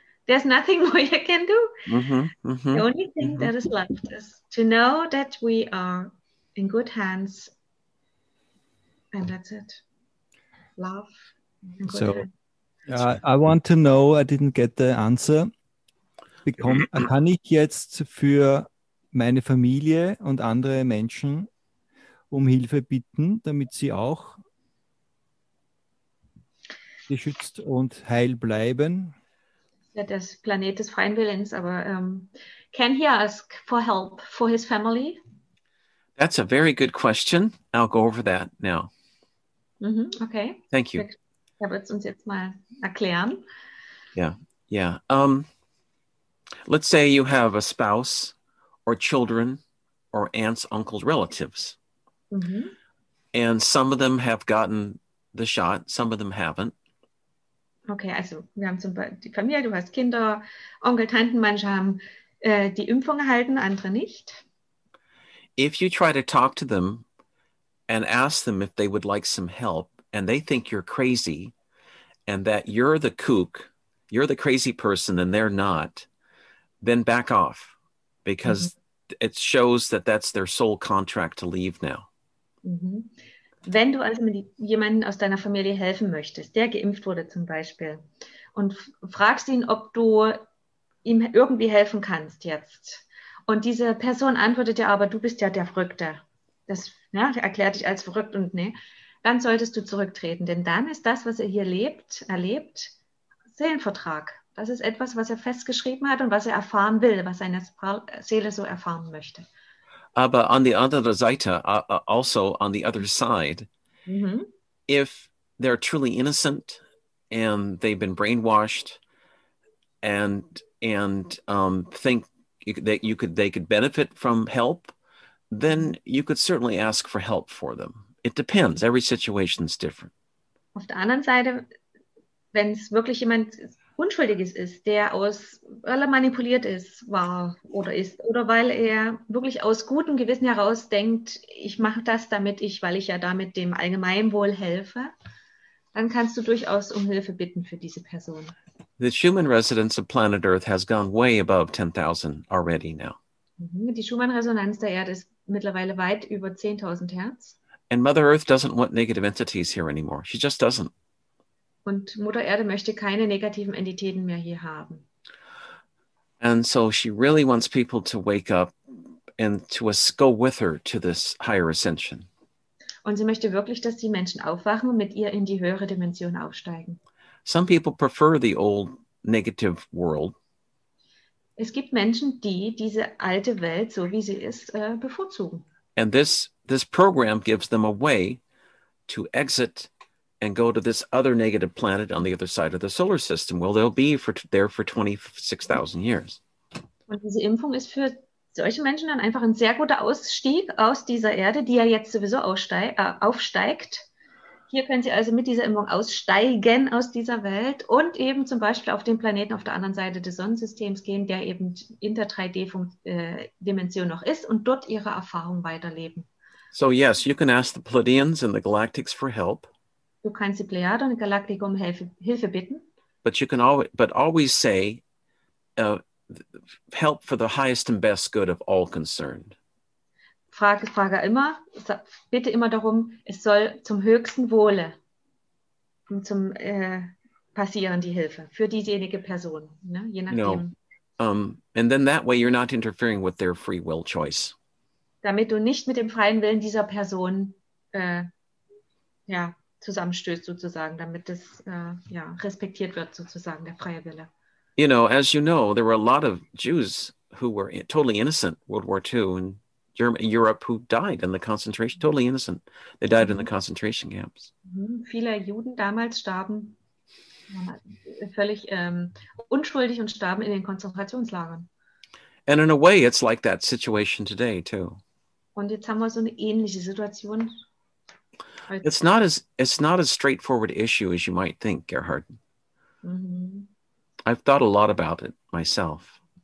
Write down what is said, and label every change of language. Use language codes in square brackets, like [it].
[en] There's nothing more you can do. Mm-hmm, mm-hmm, the only thing mm-hmm. that is left is to know that we are in good hands. And that's it. Love. So I want to know, I didn't get the answer. [de] Kann ich jetzt für meine Familie und andere Menschen um Hilfe bitten, damit sie auch geschützt und heil bleiben? Ja, das Planet des freien Willens, aber [en] can he ask for help for his family? That's a very good question. I'll go over that now. Mm-hmm. Okay. Thank you. [de] Er wird es uns jetzt mal erklären. [en] Yeah, yeah. Let's say you have a spouse or children or aunts, uncles, relatives. Mm-hmm. And some of them have gotten the shot, some of them haven't. [de] Okay, also wir haben zum Beispiel die Familie, du hast Kinder, Onkel, Tanten, manche haben die Impfung erhalten, andere nicht. [en] If you try to talk to them and ask them if they would like some help and they think you're crazy and that you're the kook, you're the crazy person and they're not, then back off because mm-hmm. it shows that that's their sole contract to leave now. Mm-hmm. [de] Wenn du also jemanden aus deiner Familie helfen möchtest, der geimpft wurde zum Beispiel, und fragst ihn, ob du ihm irgendwie helfen kannst jetzt, und diese Person antwortet dir aber, du bist ja der Verrückte, das ja, erklärt dich als verrückt und ne, dann solltest du zurücktreten, denn dann ist das, was er hier lebt, erlebt, Seelenvertrag. Das ist etwas, was er festgeschrieben hat und was er erfahren will, was seine Seele so erfahren möchte. [en] But on the other side, also on the other side, mm-hmm. if they're truly innocent and they've been brainwashed and think that they could benefit from help, then you could certainly ask for help for them. It depends. Every situation is different. [de] Auf der anderen Seite, wenn es wirklich jemand Unschuldiges ist, der aus, weil er manipuliert ist, war oder ist, oder weil er wirklich aus gutem Gewissen heraus denkt, ich mache das damit, weil ich ja damit dem Allgemeinwohl helfe, dann kannst du durchaus um Hilfe bitten für diese Person. [en] The Schumann-Resonanz of planet Earth has gone way above 10,000 already now. [de] Die Schumann-Resonanz der Erde ist mittlerweile weit über 10.000 Hertz. [en] And Mother Earth doesn't want negative entities here anymore. She just doesn't. [de] Und Mutter Erde möchte keine negativen Entitäten mehr hier haben. [en] And so she really wants people to wake up and to go with her to this higher ascension. [de] Und sie möchte wirklich, dass die Menschen aufwachen und mit ihr in die höhere Dimension aufsteigen. [en] Some people prefer the old negative world. [de] Es gibt Menschen, die diese alte Welt, so wie sie ist, bevorzugen. [en] And this program gives them a way to exit and go to this other negative planet on the other side of the solar system. Well, they'll be there for 26,000 years. [de] Und diese Impfung ist für solche Menschen dann einfach ein sehr guter Ausstieg aus dieser Erde, die ja jetzt sowieso aufsteigt. Hier können Sie also mit dieser Impfung aussteigen aus dieser Welt und eben zum Beispiel auf den Planeten auf der anderen Seite des Sonnensystems gehen, der eben in der 3D-Dimension noch ist und dort Ihre Erfahrung weiterleben. [en] So yes, you can ask the Pleiadians and the Galactics for help. [de] Du kannst die Plejaden und die Galaktik um Hilfe bitten. [en] But you can always say help for the highest and best good of all concerned. [de] Frage immer, bitte immer darum, es soll zum höchsten Wohle zum passieren, die Hilfe, für diejenige Person, ne? Je nachdem. [en] No. And then that way you're not interfering with their free will choice. [de] Damit du nicht mit dem freien Willen dieser Person zusammenstößt, sozusagen, damit das respektiert wird, sozusagen, der freie Wille. [en] You know, as you know, there were a lot of Jews who were totally innocent, World War II, and Europe, who died in the concentration, totally innocent. They died in the concentration camps. [de] Viele Juden damals starben völlig unschuldig und starben in den Konzentrationslagern. [en] And in a way, it's like that situation today, too. [de] Und jetzt haben wir so eine ähnliche Situation. [en] It's not as straightforward issue as you might think, Gerhard. I've thought a lot about it myself.